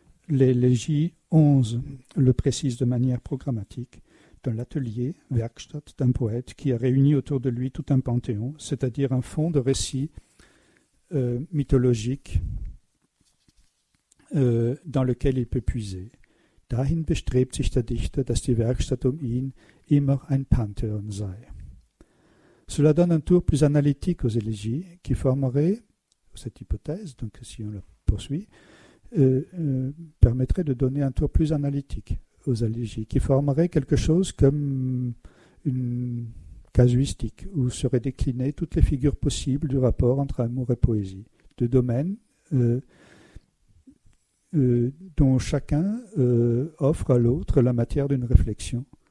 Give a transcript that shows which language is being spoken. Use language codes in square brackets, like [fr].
[fr] L'élégie 11 le précise de manière programmatique dans l'atelier Werkstatt d'un poète qui a réuni autour de lui tout un panthéon, c'est-à-dire un fond de récits mythologiques dans lequel il peut puiser. [de] Dahin bestrebt sich der Dichter, dass die Werkstatt um ihn immer ein Pantheon sei. [fr] Cela donne un tour plus analytique aux élégies qui formerait cette hypothèse, donc si on la poursuit, permettrait de donner un tour plus analytique aux élégies, qui formerait quelque chose comme une casuistique où seraient déclinées toutes les figures possibles du rapport entre amour et poésie, deux domaines dont chacun offre à l'autre la matière d'une réflexion.